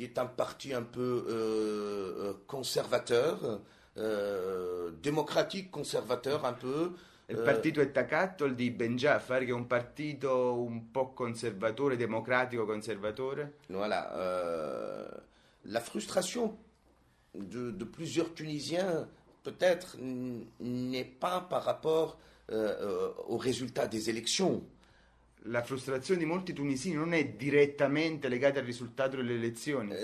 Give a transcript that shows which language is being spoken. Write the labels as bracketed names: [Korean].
[French] qui est un parti un peu conservateur, démocratique conservateur un peu. [Italian] Il partito attaccato di Ben Jaffar, che è un partito un po' conservatore, democratico conservatore. [French] Voilà, la frustration de plusieurs Tunisiens peut-être n'est pas par rapport au résultat des élections. [Italian] La frustrazione di molti tunisini non è direttamente legata al risultato delle elezioni.